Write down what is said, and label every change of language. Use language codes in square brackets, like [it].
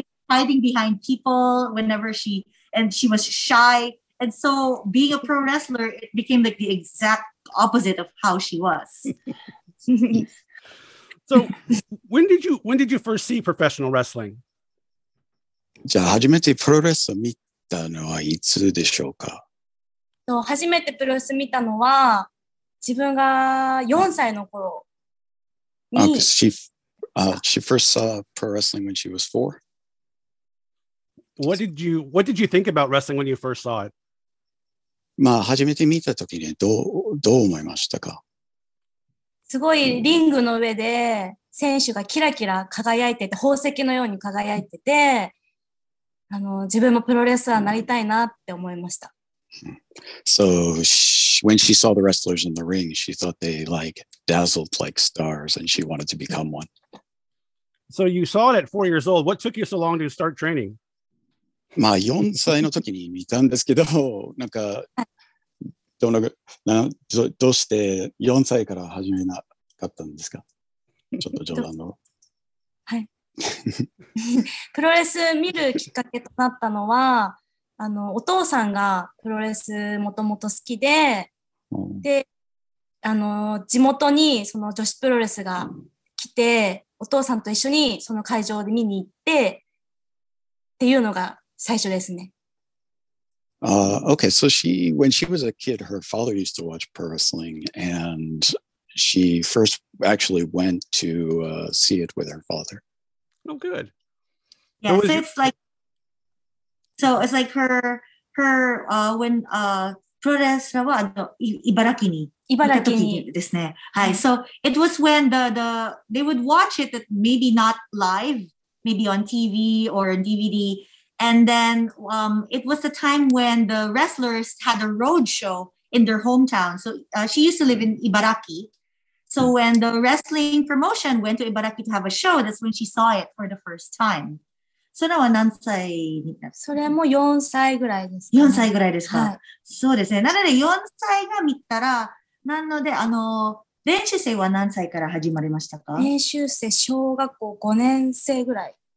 [en] hiding behind people whenever she, and she was shy. And so being a pro wrestler, it became like the exact opposite of how she was. So when did you first see professional wrestling? [ja] じゃあ初めてプロレスを見たのはいつでしょうか？初めてプロレス見たのは自分が4歳の頃に。 [en] She first saw pro wrestling when she was 4. What did you think about wrestling when you first saw it? [ja] まあ初めて見た時にどう思いましたか？すごいリングの上で選手がキラキラ輝いてて宝石のように輝いてて。自分もプロレスラーになりたいなって思いました。 [en] So, when she saw the wrestlers in the ring, she thought they like dazzled like stars and she wanted to become one. So you saw it at 4 years old. What took you so long to start training? [ja] まあ4歳の時に見たんですけど、なんか、どうして4歳から始めなかったんですか？ちょっと冗談の。はい。プロレス見るきっかけとなったのはお父さんがプロレスもともと好きで、で地元にその女子プロレスが来てお父さんと一緒にその会場で見に行ってっていうのが最初ですね。 [en] Okay, so she, when she was a kid, her father used to watch pro wrestling and she first actually went to see it with her father. Oh, good. Yeah, so it's like her, when, [ja] プロレスラーは、茨城にですね。はい。 [en] So it was when they would watch it, maybe not live, maybe on TV or DVD. And then, it was the time when the wrestlers had a road show in their hometown. So, she used to live in Ibaraki. So when the wrestling promotion went to Ibaraki to have a show, that's when she saw it for the first time. [ja] それは何歳？それも4歳ぐらいですか、ね。4歳ぐらいですか、はい。そうですね。なので4歳が見たら、なので練習生は何歳から始まりましたか？練習生、小学校5年生ぐらい。